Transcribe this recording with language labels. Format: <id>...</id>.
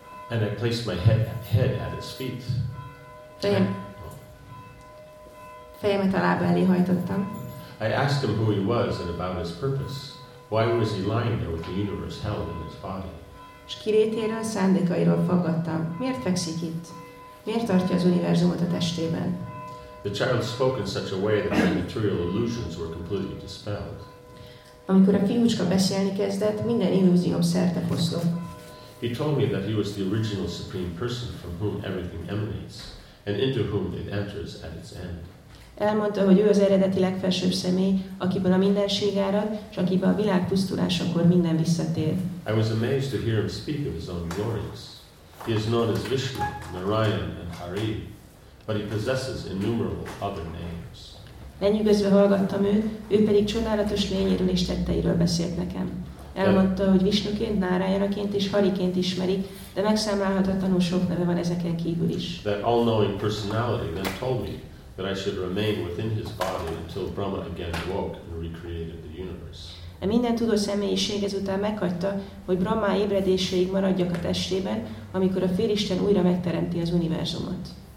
<en>And I placed my head at his feet.</en> <hu>Fejemet a lába elé hajtottam.</hu> <en>I asked him who he was and about his purpose. Why was he lying there with the universe held in his body?</en> <hu>És kirétéről, szándékairól faggattam. Miért fekszik itt? Miért tartja az univerzumot a testében?</hu> <en>The child spoke in such a way that my material illusions were completely dispelled.</en> <hu>Amikor a fiúcska beszélni kezdett, minden illúzióm szerte foszlott.</hu> <en>He told me that he was the original supreme person from whom everything emanates, and into whom it enters at its end.</en> <hu>Elmondta, hogy ő az eredeti legfelsőbb személy, akiből a mindenség árad, és akiből a világ pusztulásakor minden visszatér.</hu> <en>I was amazed to hear him speak of his own glories. He is known as Vishnu, Narayan and Hari, but he possesses innumerable other names.</en> <hu>Lenyűgözve hallgattam őt, ő pedig csodálatos lényéről és tetteiről beszélt nekem. Elmondta, hogy Vishnuként, Narayanaként és Hariként ismeri, de megszámlálhatatlanul sok neve van ezeken kívül is.</hu> <en>That all-knowing personality then told me that I should remain within his body until Brahma again woke and recreated the universe.</en> <hu>A minden tudó személyiség ezután meghagyta, hogy Brahma ébredéséig maradjak a testében, amikor a félisten újra megteremti az univerzumot.</hu>